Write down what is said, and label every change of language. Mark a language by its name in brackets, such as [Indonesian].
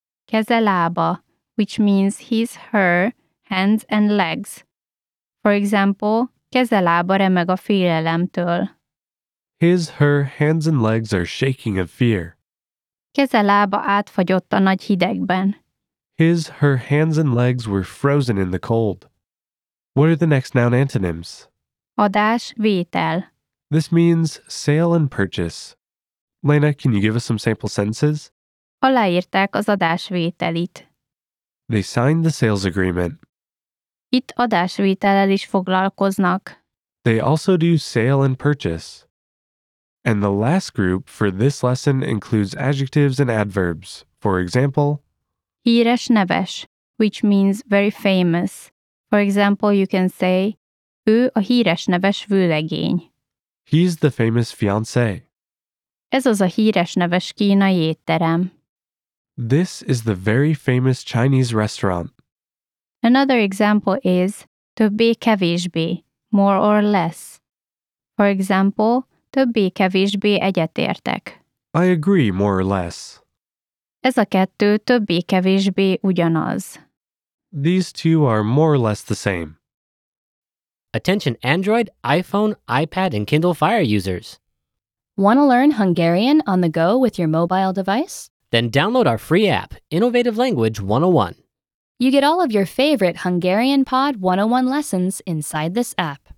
[English] keze, lába, which means his, her, hands and legs. For example, [Hungarian] keze, lába remeg a félelemtől. [English] His, her, hands and legs are shaking of fear. [Hungarian] Keze, lába átfagyott a nagy hidegben. [English] His, her, hands and legs were frozen in the cold. What are the next noun antonyms? [Hungarian] Adás, vétel. [English] This means sale and purchase. Lena, can you give us some sample sentences? [Hungarian] Aláírták az adásvételit. [English] They signed the sales agreement. [Hungarian] Itt adásvétellel is foglalkoznak. [English] They also do sale and purchase. And the last group for this lesson includes adjectives and adverbs. For example, híres, neves, which means very famous. For example, you can say, [Hungarian] ő a híres, neves vőlegény. [English] He's the famous fiancé. [Hungarian] Ez az a híres, neves kínai étterem. [English] This is the very famous Chinese restaurant. Another example is többé-kevésbé, more or less. For example, [Hungarian] többé-kevésbé egyetértek. [English] I agree, more or less. [Hungarian] Ez a kettő többé-kevésbé ugyanaz. [English] These two are more or less the same. Attention Android, iPhone, iPad, and Kindle Fire users. Want to learn Hungarian on the go with your mobile device? Then download our free app, Innovative Language 101. You get all of your favorite Hungarian Pod 101 lessons inside this app.